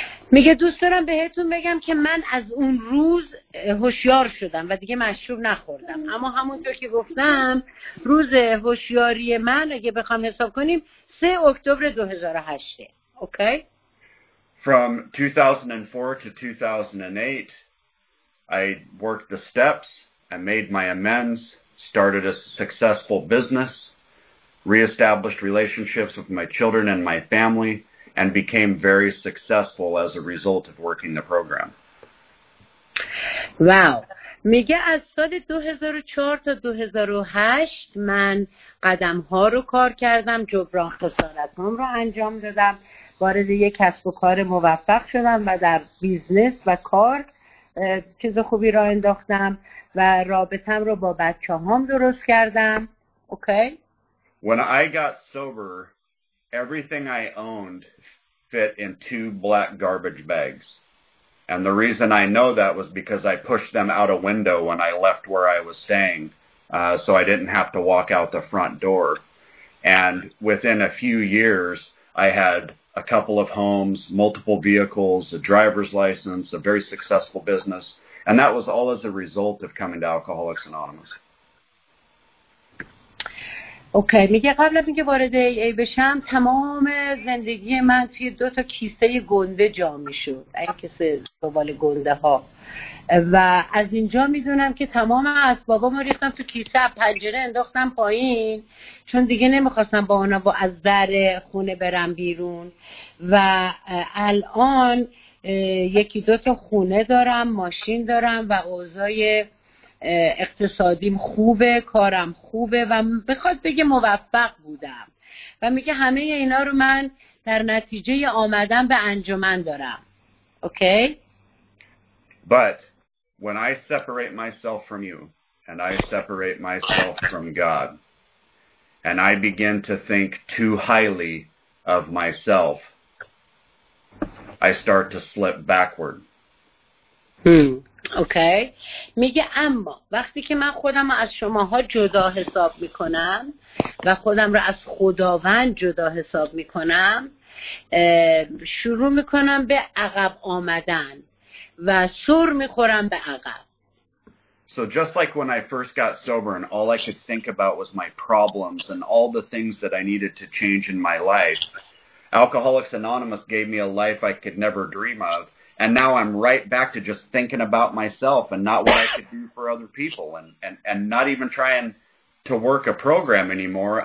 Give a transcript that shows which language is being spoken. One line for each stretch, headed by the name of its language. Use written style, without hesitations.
Persian: میگه دوست دارم بهتون بگم که من از اون روز هوشیار شدم و دیگه مشروب نخوردم اما همونطور که گفتم روز هوشیاری من اگه بخوام حساب کنیم 3 اکتبر 2008 اوکی
English: From 2004 to 2008 I worked the steps I made my amends started a successful business reestablished relationships with my children and my family and became very successful as a result of working the program. Wow.
Persian: میگه از سال 2004 تا 2008 من قدم ها رو کار کردم جبران خسارت هم رو انجام دادم با وارد یک کسب و کار موفق شدم و در بیزنس و کار چیز خوبی را انداختم و رابطم رو با بچه هام درست کردم. اوکی؟
English: When I got sober, everything I owned fit in two black garbage bags. And the reason I know that was because I pushed them out a window when I left where I was staying, so I didn't have to walk out the front door. And within a few years, I had a couple of homes, multiple vehicles, a driver's license, a very successful business. And that was all as a result of coming to Alcoholics Anonymous.
Persian: اوکی. میگه قبل از اینکه وارد ای بشم تمام زندگی من توی دو تا کیسه گنده جا میشد، این کیسه سوال گنده ها، و از اینجا میدونم که تمام اسبابامو ریختم تو کیسه، پنجره انداختم پایین چون دیگه نمیخواستم با اونا با از در خونه برم بیرون، و الان یکی دو تا خونه دارم، ماشین دارم و اوضای اقتصادیم خوبه، کارم خوبه و بخواد بگه موفق بودم. و میگه همه اینا رو من در نتیجه آمدن به انجمن دارم. اوکی؟
English: But when I separate myself from you and I separate myself from God and I begin to think too highly of myself, I start to slip backward.
Persian: اوکی. میگه اما وقتی که من خودم رو از شماها جدا حساب میکنم و خودم رو از خداوند جدا حساب میکنم، شروع میکنم به عقب آمدن و سر میخورم به عقب.
English: So just like when I first got sober and all I could think about was my problems and all the things that I needed to change in my life, Alcoholics Anonymous gave me a life I could never dream of. And now I'm right back to just thinking about myself and not what I could do for other people and not even trying to work a program anymore.